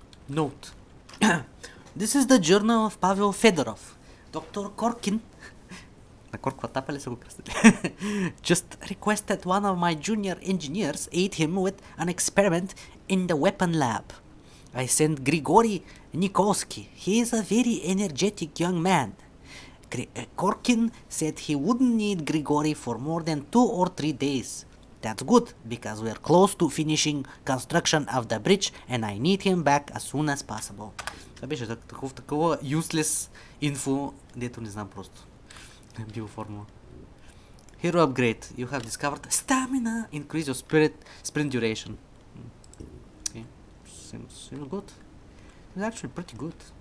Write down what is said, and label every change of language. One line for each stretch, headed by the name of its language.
English: Note. This is the journal of Pavel Fedorov. Доктор Коркин.
Bulgarian: На Коркова тапа ли са го кръстили?
English: Just requested one of my junior engineers aid him with an experiment in the weapon lab. I sent Grigori Nikolsky. He is a very energetic young man. Коркин said he wouldn't need Grigori for more than 2 or 3 days. That's good, because we are close to finishing construction of the bridge and I need him back as soon as possible.
Bulgarian: Това беше такова
English: useless info,
Bulgarian: дето не знам просто.
English: Биоформула. Hero upgrade. You have discovered stamina. Increase your spirit. Sprint duration. Okay. Seems good. It's actually pretty good.